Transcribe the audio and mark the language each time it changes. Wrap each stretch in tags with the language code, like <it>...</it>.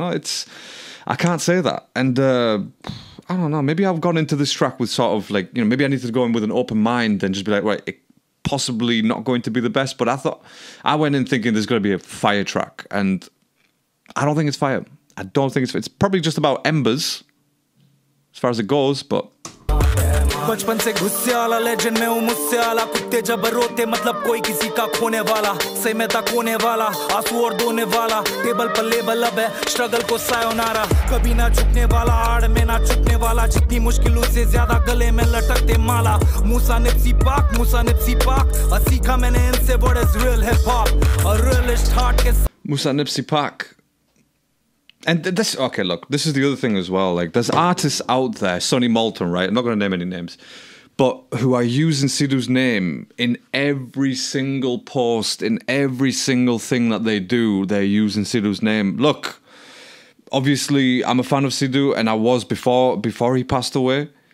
<en>You know, I can't say that. And I don't know, maybe I've gone into this track with sort of like, you know, maybe I need to go in with an open mind and just be like, right, it possibly not going to be the best. But I went in thinking there's going to be a fire track, and I don't think it's fire. I don't think it's probably just about embers as far as it goes, but...</en> <hi>बचपन से गुस्से वाला legend मैं हूँ मुझसे आला कुत्ते जब रोते मतलब कोई किसी का खोने वाला सही में तक होने वाला आंसू और धोने वाला टेबल पर लेबल अब है स्ट्रगल को सायोनारा कभी ना झुकने वाला आड़ में ना झुकने वाला जितनी मुश्किलों से ज्यादा गले में लटकते माला मूसा निप्सी पाक सीखा मैंने इनसे</hi> <en>what is real hip hop a realist heart</en> <hi>के मूसा निप्सी पाक.</hi> <en>And this, okay, look, this is the other thing as well. Like, there's artists out there, Sonny Malton, right? I'm not going to name any names, but who are using Sidhu's name in every single post, in every single thing that they do, they're using Sidhu's name. Look, obviously, I'm a fan of Sidhu, and I was before he passed away.</en>